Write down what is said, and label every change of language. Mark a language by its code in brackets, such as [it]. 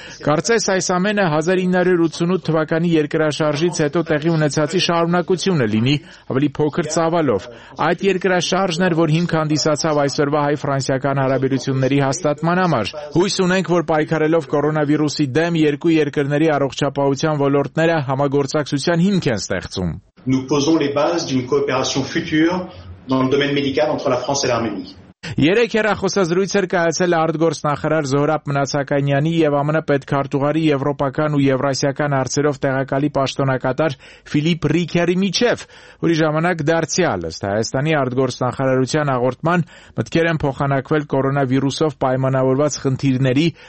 [hy] Կարծես այս ամենը 1988 թվականի երկրաշարժից հետո տեղի ունեցածի շարունակությունը լինի, ավելի փոքր ծավալով։ Այդ երկրաշարժն էր, որ հիմք հանդիսացավ այսօրվա հայ-ֆրանսիական հարաբերությունների հաստատման համար։ Հույս ունենք, որ պայքարելով կորոնավիրուսի դեմ, երկու երկրների առողջապահության ոլորտները համագործակցության հիմք են ստեղծում։ [fr] Nous posons les bases d'une coopération future dans le domaine médical entre la France et l'Arménie. [hy] Երեք հերախոսազրույց էր կայացել արտգործ նախարար Զորապ Մնացականյանի եւ ԱՄՆ պետքարտուղարի եվրոպական ու եվրասիական հարցերով տեղակալի պաշտոնակատար Ֆիլիպ Ռիքերի միջև, որի ժամանակ դարձյալ ըստ Հայաստանի արտգործ նախարարության հաղորդման մտքեր են փոխանակվել կորոնավիրուսով պայմանավորված խնդիրների,